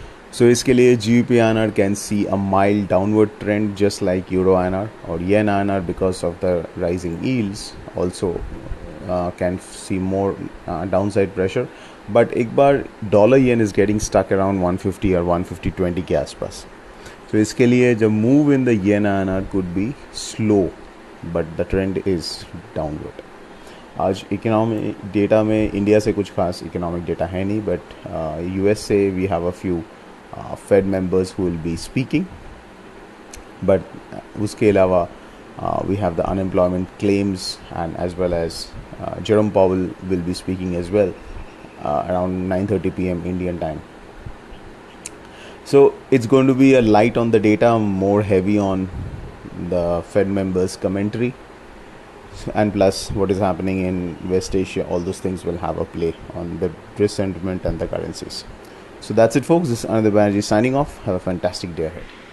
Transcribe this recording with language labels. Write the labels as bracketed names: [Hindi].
[English] So [Hindi] iske liye [English] GBP INR can see a mild downward trend, just like Euro INR or Yen INR, because of the rising yields also can see more downside pressure. But [Hindi] ek bar [English] dollar yen is getting stuck around 150 or 150.20 [Hindi] ke aaspas. [English] So [Hindi] iske liye jab [English] move in the Yen INR could be slow, but the trend is downward. [Hindi] आज economic data में India से कुछ खास economic data है नहीं, [English] but [Hindi] US से [English] we have a few Fed members who will be speaking, but [Hindi] उसके अलावा [English] We have the unemployment claims and as well as Jerome Powell will be speaking as well around 9:30 PM Indian time. So it's going to be a light on the data, more heavy on the Fed members commentary. And plus, what is happening in West Asia, all those things will have a play on the risk sentiment and the currencies. So that's it, folks. This is Anindya Banerjee signing off. Have a fantastic day ahead.